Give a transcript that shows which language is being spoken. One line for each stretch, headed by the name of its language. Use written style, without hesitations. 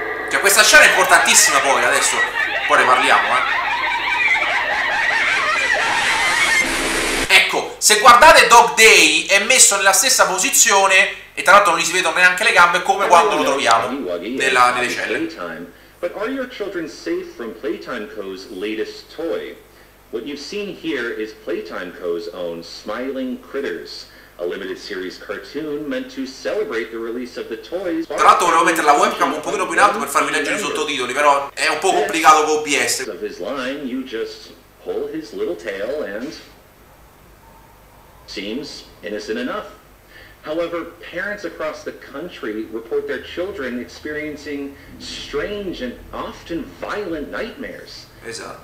Italian: Cioè, questa scena è importantissima poi, adesso poi ne parliamo, eh. Se guardate Dog Day, è messo nella stessa posizione, e tra l'altro non gli si vedono neanche le gambe, come quando lo troviamo nelle celle.
English: But are your children safe from Playtime Co.'s latest toy? What you've seen here is Playtime Co.'s own Smiling Critters, a limited series cartoon meant to celebrate the release of the toys.
Italian: Tra l'altro volevo mettere la webcam un pochino più in alto per farvi leggere i sottotitoli, però è un po' complicato con OBS.
English: Of his line, you just pull his little tail and seems innocent enough. However, parents across the country report their children experiencing strange and often violent nightmares.
Italian: Esatto.